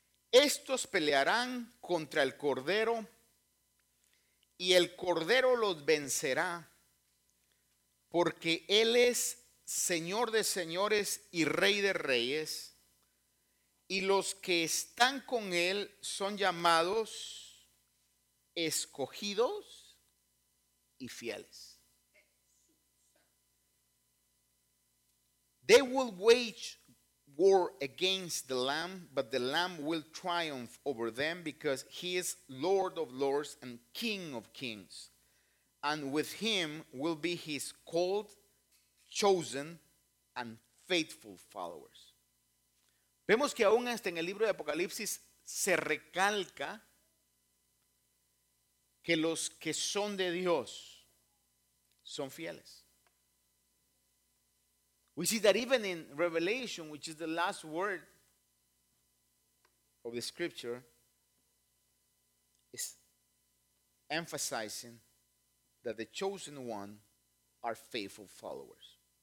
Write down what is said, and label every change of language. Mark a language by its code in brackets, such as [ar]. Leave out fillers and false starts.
[es] Estos pelearán contra el Cordero y el Cordero los vencerá, porque Él es Señor de señores y Rey de reyes, y los que están con Él son llamados, escogidos y fieles. [en] They will wage war against the Lamb, but the Lamb will triumph over them because He is Lord of lords and King of kings. And with Him will be His called, chosen, and faithful followers. [es] Vemos que aún hasta en el libro de Apocalipsis se recalca que los que son de Dios son fieles. [en] We see that even in Revelation, which is the last word of the scripture, is emphasizing that the chosen one are faithful followers.